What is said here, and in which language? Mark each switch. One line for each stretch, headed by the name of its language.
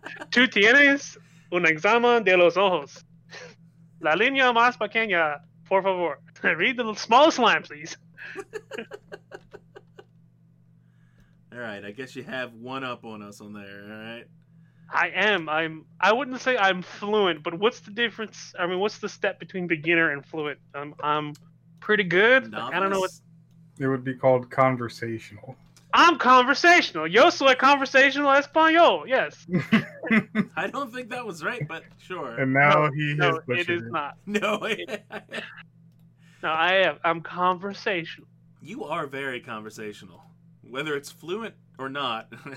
Spanish: Tú tienes un examen de los ojos. La línea más pequeña, por favor.
English: Read the smallest line, please. All right, I guess you have one up on us on there, all right? I am. I wouldn't say I'm fluent, but what's the difference? I mean, what's the step between beginner and fluent? I'm pretty good. Like, I don't know what... It would be called conversational. I'm conversational.
Spanish: Yo soy conversational español.
English: Yes. I don't think that was right, but sure. And now he has no, it is it. Not. No. No, I am. I'm conversational. You are very conversational. Whether it's fluent or not.